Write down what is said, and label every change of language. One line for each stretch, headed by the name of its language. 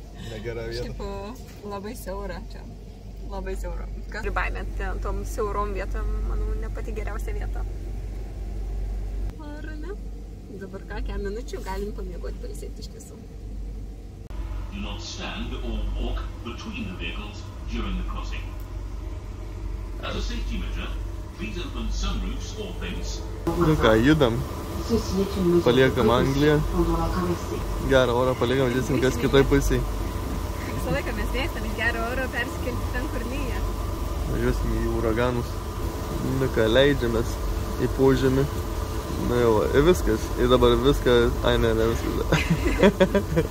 Lithuanian: Negera vieta. Šiaip labai siaura čia. Labai siaura. Kas pribaimė tom siaurom vietom, manau, ne pati geriausia vieta. Ar ne? Dabar ką, kiek minučių galim pamiegoti, pailsėti iš tiesų.
English: Do not stand or walk between the vehicles during the crossing. As a safety measure, please open sunroofs or vents.
Lithuanian: Nu ką, judam. Paliekam Angliją. Gerą orą paliekam, žiūrėsim, kas kitoj pusėj. Visą laiką mes mėgstam iš gerą orą persikelti ten, kur lyja. Važiuosim į uraganus. Nu ką, leidžiamės į požemį. Nu jau, ir viskas. Ir dabar viską... Ai, ne, ne viskas.